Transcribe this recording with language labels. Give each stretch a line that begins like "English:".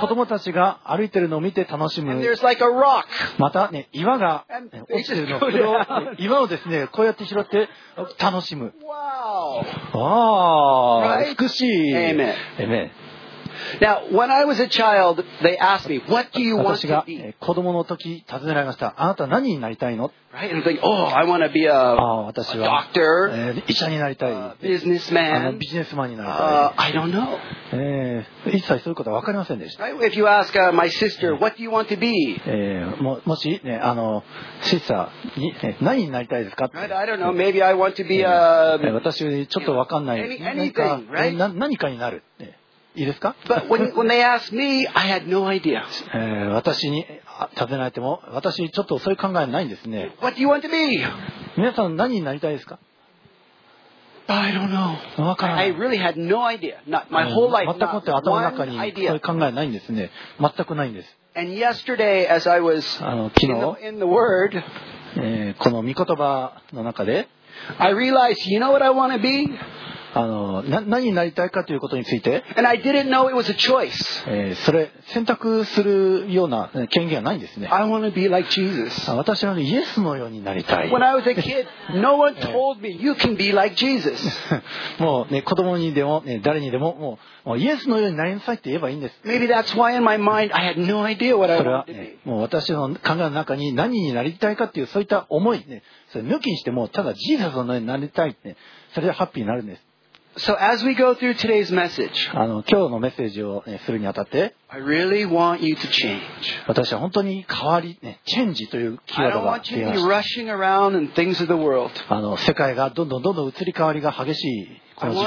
Japanese: 子供たちが歩いてるのを見て楽しむ。
English: And there's like a rock.
Japanese: またね、岩が落ちてるの。それを岩をですね、こうやって拾って楽しむ。
English: Wow. Wow. Right?
Japanese: 美しい。
English: Amen. Amen. Now, when I was a child, they asked me, "What do you want to be?"
Japanese: 私が子供の時尋ねられました。あなた何になりたいの？
English: Right? And thinking, "Oh, I want to be a doctor."
Japanese: 医者になりたい。
English: Businessman.
Japanese: ビジネスマンになりたい。
English: I don't know.
Japanese: 一切そういうことは分かりませんでした。
English: Right? If you ask my sister, "What do you want to be?"
Japanese: もしね、シスターに、何になりたいですか？
English: Right? I don't know. Maybe I want to be a.
Japanese: 私ちょっと分かんない。
English: Anything, right?
Japanese: 何かになる。いいですか？
English: But when they asked me, I had no idea.
Japanese: 私に尋ねられても、私ちょっとそういう考えないんですね。
English: What do you want to be?
Japanese: 皆さん何になりたいですか？
English: I don't know.
Japanese: わからない。
English: I really had no idea. Not my whole life.
Japanese: 全くって頭の中にそういう考えないんですね。全くないんです。
English: And yesterday, as I was
Japanese: 昨日
English: in the word,
Japanese: この御言葉の中で、
English: I realized, you know what I want to be?
Japanese: 何になりたいかということについて、
English: And I didn't know it was a choice.
Japanese: それ選択するような権限はないんですね。
English: I want to be like Jesus.
Japanese: 私はイエスのようになりたい。
English: When I was a kid, no one told me you can be like Jesus.
Japanese: もうね、子供にでも、ね、誰にでももうイエスのようになりなさいって言えばいいんです。
English: Maybe that's why in my mind I had no idea what I wanted to be.
Japanese: それは、ね、もう私の考えの中に何になりたいかっていうそういった思いね、それ抜きにしてもただジーザスのようになりたいって、ね、それでハッピーになるんです。
English: So as we go through today's message,
Japanese: 今日のメッセージを、ね、するにあたって、
English: I really want you to change.
Japanese: 私は本当に変わり、ね、チェンジというキーワードが出ました。
English: I don't want you to be rushing around in things of the world.
Japanese: 世界がどんどんどんどん移り変わりが激しいこの時期。